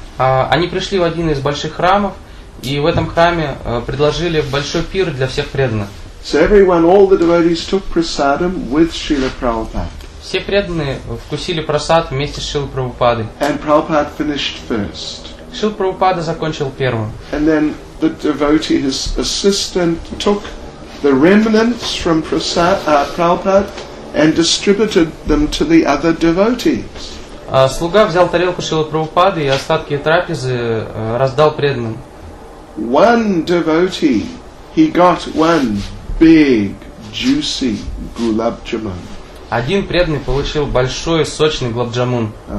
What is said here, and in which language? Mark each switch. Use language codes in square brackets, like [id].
[ru] Они пришли в один из больших храмов, и в этом храме предложили большой пир для всех преданных. [en] So everyone, all the devotees took prasadam with Srila Prabhupada. [ru] Все преданные вкусили прасад вместе с Шрилой Прабхупадой. [en] And Prabhupada finished first. [ru] Шрила Прабхупада закончил первым. [en] And then the devotee, his assistant, took the remnants from Prabhupada and distributed them to the other devotees. [ru] Слуга взял тарелку Шрилы Прабхупады и остатки трапезы раздал преданным. [en] One devotee, he got one big, juicy gulab jamun. [ru] Один преданный получил большой, сочный гулаб джамун.